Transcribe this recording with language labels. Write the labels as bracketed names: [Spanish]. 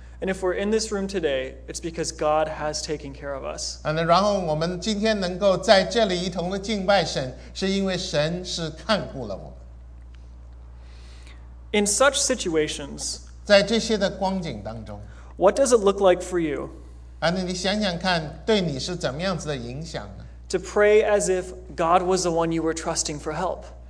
[English] And if we're in this room today, it's because God has taken care of us. [Chinese] 然后我们今天能够在这里一同的敬拜神，是因为神是看顾了我们。 [English] In such situations, [Chinese] 在这些的光景当中, [English] what does it look like for you? [Chinese] 你想想看，对你是怎么样子的影响呢？ [English] To pray as if God was the one you were trusting for help.